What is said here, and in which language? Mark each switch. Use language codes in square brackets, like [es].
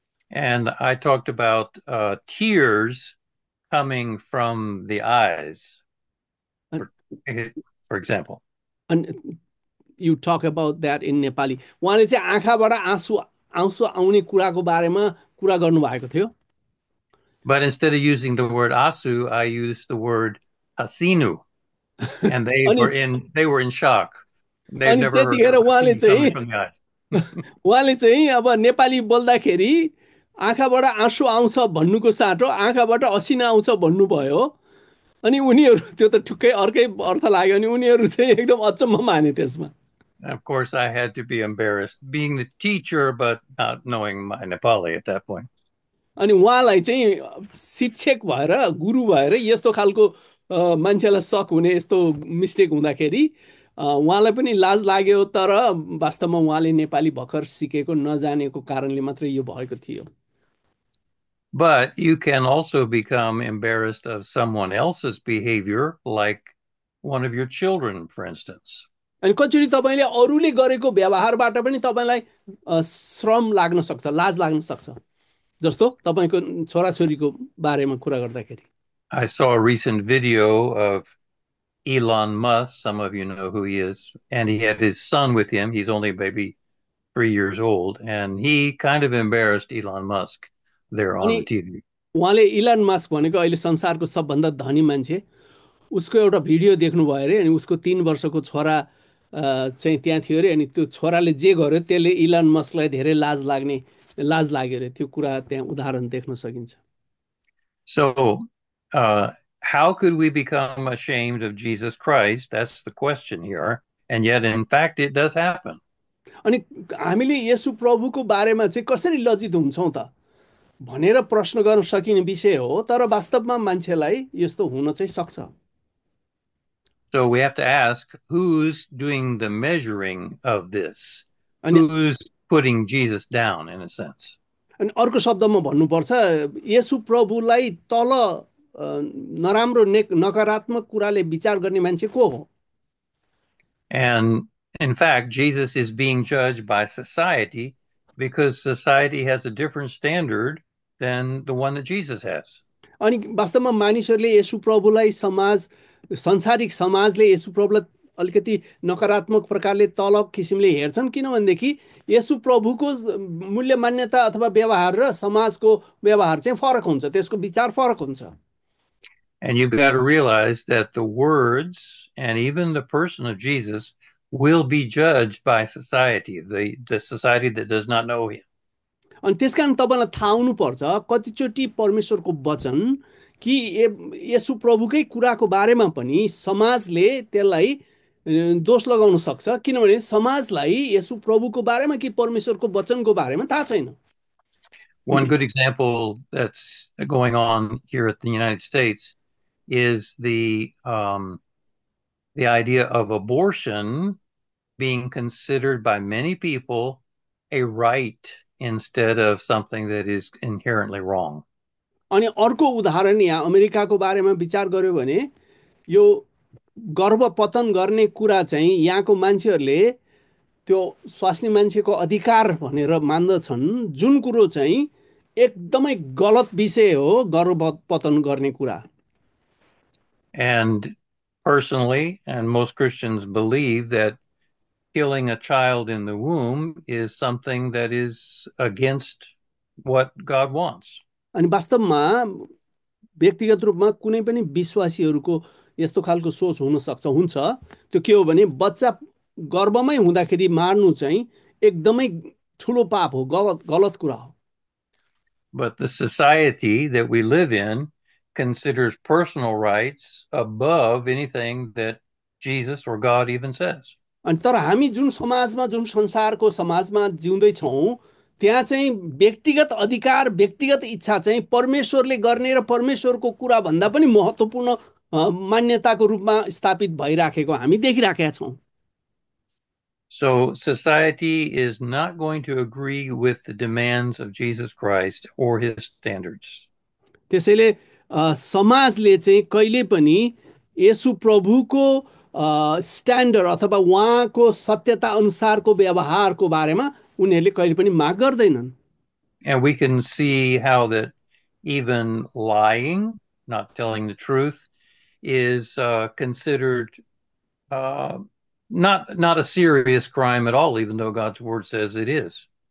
[en] And I talked about tears coming from the eyes. For example, [ne] अनि [en] you talk about that in [ne] Nepali उहाँले चाहिँ आँखाबाट आँसु आउने कुराको बारेमा कुरा गर्नुभएको थियो [en] but instead of using the word asu, I used the word hasinu, and they were in shock. They've [ne] अनि [en] never heard [ne] त्यतिखेर [en] of hasinu coming from the eyes. [ne] उहाँले चाहिँ अब नेपाली बोल्दाखेरि आँखाबाट आँसु आउँछ भन्नुको साटो आँखाबाट असिना आउँछ भन्नुभयो अनि उनीहरू त्यो त ठुक्कै अर्कै अर्थ लाग्यो अनि उनीहरू चाहिँ एकदम अचम्म माने त्यसमा [en] Of course, I had to be embarrassed being the teacher, but not knowing my Nepali at that point. [ne] अनि उहाँलाई चाहिँ शिक्षक भएर गुरु भएर यस्तो खालको मान्छेलाई सक हुने यस्तो मिस्टेक हुँदाखेरि उहाँलाई पनि लाज लाग्यो तर वास्तवमा उहाँले नेपाली भर्खर सिकेको नजानेको कारणले मात्रै यो भएको थियो [en] But you can also become embarrassed of someone else's behavior, like one of your children, for instance. [ne] अनि कचोटि तपाईँले अरूले गरेको व्यवहारबाट पनि तपाईँलाई श्रम लाग्न सक्छ लाज लाग्न सक्छ जस्तो तपाईँको छोराछोरीको बारेमा कुरा गर्दाखेरि [en] I saw a recent video of Elon Musk. Some of you know who he is. And he had his son with him. He's only maybe 3 years old. And he kind of embarrassed Elon Musk there on the [ne] अनि [en] TV. [ne] उहाँले Elon Musk भनेको अहिले संसारको सबभन्दा धनी मान्छे उसको एउटा भिडियो देख्नुभयो अरे अनि उसको 3 वर्षको छोरा चाहिँ त्यहाँ थियो अरे अनि त्यो छोराले जे गर्यो त्यसले इलन मस्कलाई धेरै लाज लाग्ने लाज लाग्यो अरे त्यो कुरा त्यहाँ उदाहरण देख्न सकिन्छ [en] So, how could we become ashamed of Jesus Christ? That's the question here. And yet, in fact, it does happen. [ne] अनि हामीले येशु प्रभुको बारेमा चाहिँ कसरी लज्जित हुन्छौँ त भनेर प्रश्न गर्न सकिने विषय हो तर वास्तवमा मान्छेलाई यस्तो हुन चाहिँ सक्छ [en] So we have to ask, who's doing the measuring of this? [ne] अनि [en] Who's putting Jesus down, in a sense? [ne] अनि अर्को शब्दमा भन्नुपर्छ येशु प्रभुलाई तल नराम्रो नेक नकारात्मक कुराले विचार गर्ने मान्छे को हो [en] And in fact, Jesus is being judged by society because society has a different standard than the one that Jesus has. [ne] अनि वास्तवमा मानिसहरूले येशु प्रभुलाई समाज संसारिक समाजले येशु प्रभुलाई अलिकति नकारात्मक प्रकारले तल किसिमले हेर्छन् किनभनेदेखि येशु प्रभुको मूल्य मान्यता अथवा व्यवहार र समाजको व्यवहार चाहिँ फरक हुन्छ त्यसको विचार फरक हुन्छ [en] And you've got to realize that the words and even the person of Jesus will be judged by society, the society that does not know him. [ne] अनि त्यस कारण तपाईँलाई थाहा हुनुपर्छ कतिचोटि परमेश्वरको वचन कि येशु प्रभुकै कुराको बारेमा पनि समाजले त्यसलाई दोष लगाउन सक्छ किनभने समाजलाई येशु प्रभुको बारेमा कि परमेश्वरको वचनको बारेमा थाहा छैन [en] One good example that's going on here at the United States is the idea of abortion being considered by many people a right instead of something that is inherently wrong. [ne] अनि अर्को उदाहरण यहाँ अमेरिकाको बारेमा विचार गर्यो भने यो गर्भपतन गर्ने कुरा चाहिँ यहाँको मान्छेहरूले त्यो स्वास्नी मान्छेको अधिकार भनेर मान्दछन्, जुन कुरो चाहिँ एकदमै गलत विषय हो गर्भपतन गर्ने कुरा। [en] And personally, and most Christians believe that killing a child in the womb is something that is against what God wants. [ne] अनि वास्तवमा व्यक्तिगत रूपमा कुनै पनि विश्वासीहरूको यस्तो खालको सोच हुन सक्छ, हुन्छ। त्यो के हो भने बच्चा गर्भमै हुँदाखेरि मार्नु चाहिँ एकदमै ठुलो पाप हो, गलत गलत कुरा हो। [en] But the society that we live in considers personal rights above anything that Jesus or God even says. [ne] अनि तर हामी जुन समाजमा, जुन संसारको समाजमा जिउँदैछौँ, त्यहाँ चाहिँ व्यक्तिगत अधिकार, व्यक्तिगत इच्छा चाहिँ परमेश्वरले गर्ने र परमेश्वरको कुरा भन्दा पनि महत्त्वपूर्ण मान्यताको रूपमा स्थापित भइराखेको हामी देखिराखेका छौँ। [en] So society is not going to agree with the demands of Jesus Christ or his standards. [ne] त्यसैले समाजले चाहिँ कहिले पनि येशु प्रभुको स्ट्यान्डर्ड अथवा उहाँको सत्यता अनुसारको व्यवहारको बारेमा उनीहरूले कहिले पनि माग गर्दैनन्। [en] And we can see how that even lying, not telling the truth, is considered not a serious crime at all, even though God's word says it is.